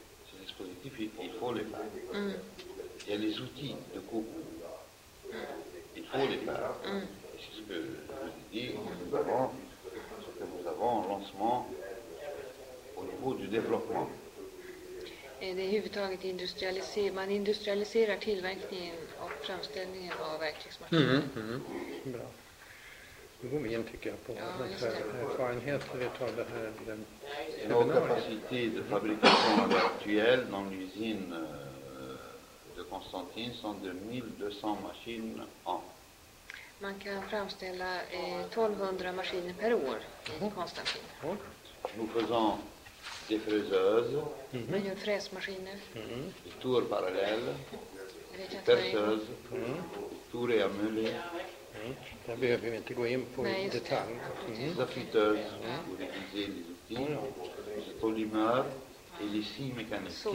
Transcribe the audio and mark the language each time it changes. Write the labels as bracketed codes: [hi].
[fr] Ces dispositifs, il faut les faire. Il y a les outils de coupe. Il faut les faire. Et c'est ce que je vous ai dit, nous avons, ce que nous avons en lancement au niveau du développement. [sv] Det är huvudtaget industrialiserar, man industrialiserar tillverkningen och framställningen av verktygsmaskiner. Bra. Då går vi in, tycker jag, på erfarenheter. Vi tar det här den seminariet. [fr] Nos capacités de fabrication actuelle dans l'usine de Constantine sont de 1200 machines an. [sv] Man kan framställa 1200 maskiner per år i Constantine. [fr] Nous faisons des fräseuses, des fräsmaskiner, des tours parallèles, des perceuses, des tours et amulées, Là, vous n'avez pas besoin de détails. Des affûteuses pour réviser les outils, des polymères et les scies mécaniques.